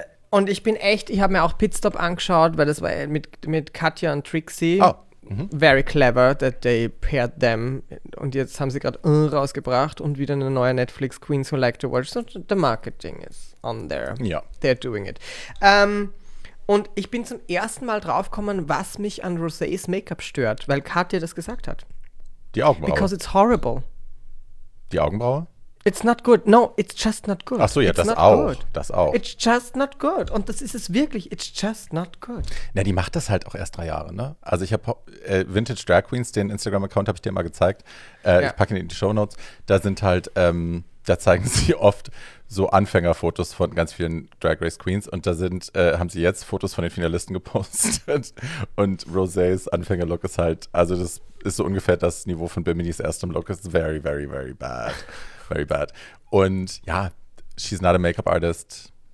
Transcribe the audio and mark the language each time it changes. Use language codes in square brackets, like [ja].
[de] Und ich bin echt, ich habe mir auch Pitstop angeschaut, weil das war mit Katja und Trixie. Oh. [en] Very clever that they paired them. [de] Und jetzt haben sie gerade rausgebracht und wieder eine neue Netflix Queens Who Like to Watch. [en] So the marketing is on there. Yeah. They're doing it. [de] Und ich bin zum ersten Mal draufgekommen, was mich an Rosés Make-up stört, weil Katja das gesagt hat. Die Augenbraue. [en] Because it's horrible. [de] Die Augenbraue? [en] It's not good. No, it's just not good. [de] Ach so, ja, [en] it's [de] das auch. Good. Das auch. [en] It's just not good. [de] Und das ist es wirklich. [en] It's just not good. [de] Na, die macht das halt auch erst 3 Jahre, ne? Also ich habe Vintage Drag Queens, den Instagram-Account habe ich dir mal gezeigt. Ich packe ihn in die Shownotes. Da sind halt, da zeigen sie oft so Anfängerfotos von ganz vielen Drag Race Queens. Und da sind, haben sie jetzt Fotos von den Finalisten gepostet. Und Rosés Anfänger-Look ist halt, also das ist so ungefähr das Niveau von Bimini's erstem Look. [en] It's very, very, very bad. Very bad. Und ja, she's not a makeup artist.